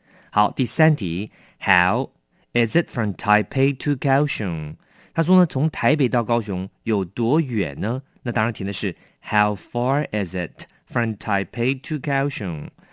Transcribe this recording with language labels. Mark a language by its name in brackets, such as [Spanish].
[Chinese] 好，第三题 [English] ,How is it from Taipei to Kaohsiung? [Chinese] 他说呢，从台北到高雄有多远呢？那当然填的是 [English] How far is it from Taipei to Kaohsiung?